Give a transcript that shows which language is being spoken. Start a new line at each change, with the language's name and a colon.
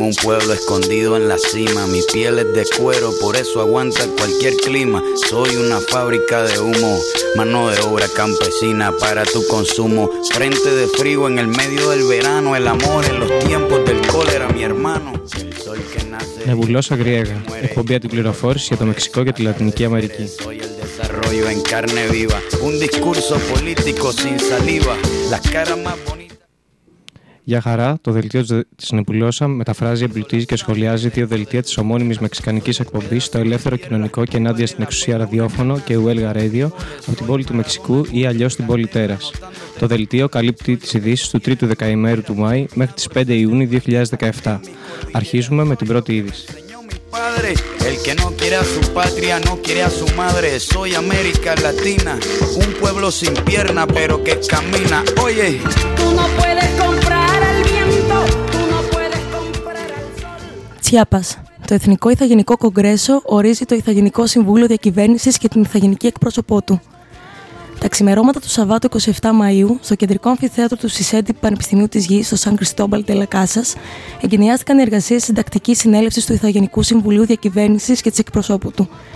Spanish: Un pueblo escondido en la cima, mi piel es de cuero, por eso aguanta cualquier clima. Soy una fábrica de humo, mano de obra campesina para tu consumo. Frente de frío en el medio del verano, el amor en los tiempos del cólera, mi hermano. Nebulosa griega,
Greek: εκπομπή του πληροφόρηση για το Μεξικό και τη Λατινική Αμερική.
Spanish: Desarrollo en carne viva, un discurso político sin saliva, las caras más bonitas.
Greek: Για χαρά, το δελτίο της Νεπουλώσα μεταφράζει, εμπλουτίζει και σχολιάζει δύο δελτία της ομώνυμης μεξικανικής εκπομπής στο Ελεύθερο Κοινωνικό και ενάντια στην εξουσία ραδιόφωνο και Huelga Radio από την πόλη του Μεξικού ή αλλιώς την πόλη Τέρας. Το δελτίο καλύπτει τις ειδήσεις του 3ου δεκαημέρου του Μάη μέχρι τις 5 Ιούνιου 2017. Αρχίζουμε με την πρώτη είδηση.
Spanish: El que no quiere a su patria no quiere a su madre. Soy América Latina, un pueblo sin pierna pero que camina. Oye, tú no puedes comprar al viento, tú no puedes comprar al sol. Chiapas.
Greek: Το Εθνικό Ιθαγενικό Κογκρέσο ορίζει το Ιθαγενικό Συμβούλιο Διακυβέρνησης και την Ιθαγενική εκπρόσωπό του. Τα ξημερώματα του Σαββάτου 27 Μαΐου, στο κεντρικό αμφιθέατρο του Σισέντη Πανεπιστημίου της Γης, στο Σαν Κριστόμπαλ Ντε Λα Κάσας, εγκαινιάστηκαν οι εργασίες συντακτικής συνέλευσης του Ιθαγενικού Συμβουλίου Διακυβέρνησης και της εκπροσώπου του.